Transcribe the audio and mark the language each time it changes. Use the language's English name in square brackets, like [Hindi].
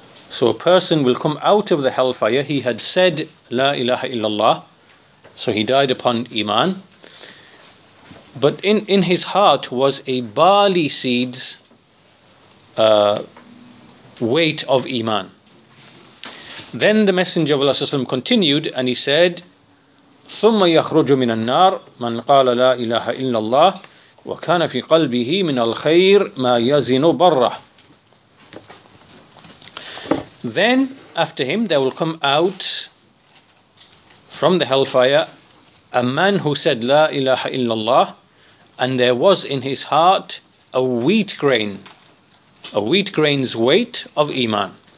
[English] So a person will come out of the hellfire, he had said La ilaha illallah, so he died upon iman, but in his heart was a barley seed's weight of iman. Then the Messenger of Allah ﷺ continued and he said, [Arabic] ثُمَّ يَخْرُجُ مِنَ النَّارِ مَنْ قَالَ لَا إِلَهَ إِلَّا اللَّهِ وَكَانَ فِي قَلْبِهِ مِنَ الْخَيْرِ مَا يَزِنُ بَرَّهِ. [English] Then after him there will come out from the hellfire a man who said La ilaha illallah, and there was in his heart a wheat grain's weight of iman.